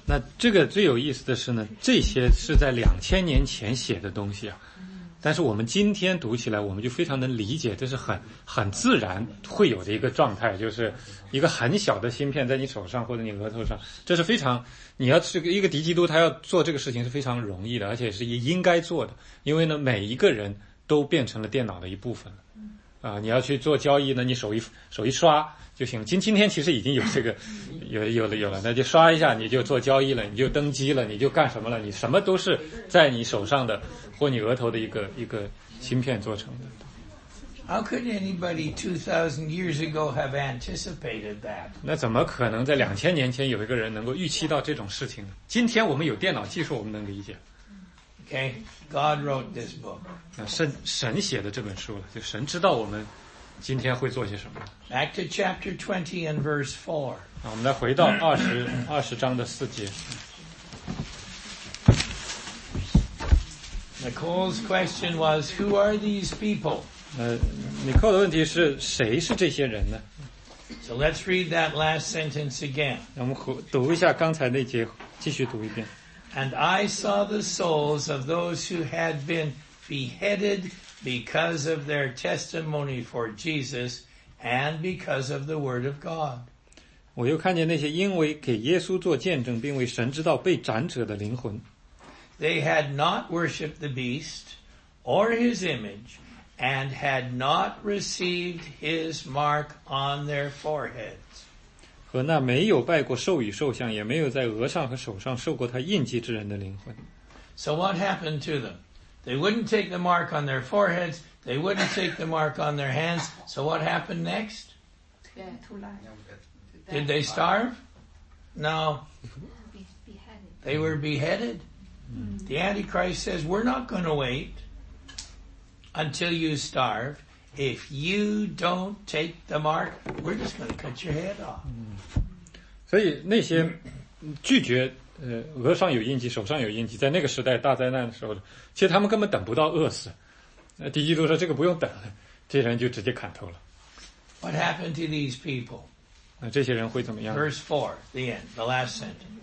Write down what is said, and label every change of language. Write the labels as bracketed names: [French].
[Chinese] 那这个最有意思的是呢，这些是在2000年前写的东西啊，但是我们今天读起来，我们就非常能理解，这是很自然会有的一个状态，就是一个很小的芯片在你手上或者你额头上，这是非常，你要是一个敌基督，他要做这个事情是非常容易的，而且是应该做的，因为呢，每一个人都变成了电脑的一部分了。啊，你要去做交易呢，你手一刷就行了。今天其实已经有这个，有了，那就刷一下，你就做交易了，你就登机了，你就干什么了？你什么都是在你手上的或你额头的一个芯片做成的。 [English] How could anybody 2,000 years ago have anticipated that? [Chinese] 那怎么可能在2000年前有一个人能够预期到这种事情呢？今天我们有电脑技术，我们能理解。 [English] Okay, God wrote this book. [Chinese] 神写的这本书了，就神知道我们今天会做些什么。 [English] Back to chapter 20 and verse 4. [Chinese] 那我们再回到二十章的四节。 [English] Nicole's question was, who are these people? [Chinese] Nicole 的问题是谁是这些人呢？ [English] So let's read that last sentence again. [Chinese] 我们读一下刚才那节，继续读一遍。 [English] And I saw the souls of those who had been beheaded because of their testimony for Jesus and because of the word of God. [Chinese] 我又看见那些因为给耶稣做见证并为神知道被斩者的灵魂。 [English] They had not worshipped the beast or his image and had not received his mark on their foreheads. [Chinese] 和那没有拜过兽与兽像，也没有在额上和手上受过他印记之人的灵魂。 [English] So what happened to them? They wouldn't take the mark on their foreheads. They wouldn't take the mark on their hands. So what happened next? Did they starve? No. They were beheaded. The Antichrist says, "We're not going to wait until you starve." If you don't take the mark, we're just going to cut your head off. [Chinese] 所以那些拒绝额上有印记、手上有印记，在那个时代大灾难的时候，其实他们根本等不到饿死。敌基督说这个不用等，这人就直接砍头了。 [English] What happened to these people? [Chinese] 那这些人会怎么样 [English] ？Verse four, the end, the last sentence.